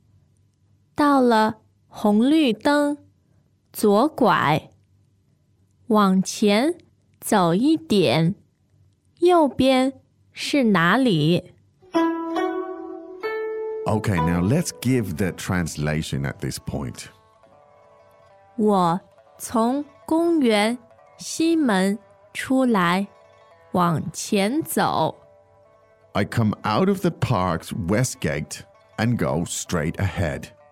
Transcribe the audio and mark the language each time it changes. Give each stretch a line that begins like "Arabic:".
Chinese: 我从公园西门出来，往前走，到了红绿灯。左拐，往前走一点，右边是哪里？
English: Okay, now let's give the translation at this point.
Chinese: 我从公园西门出来，往前走。
English: I come out of the park's west gate and go straight ahead.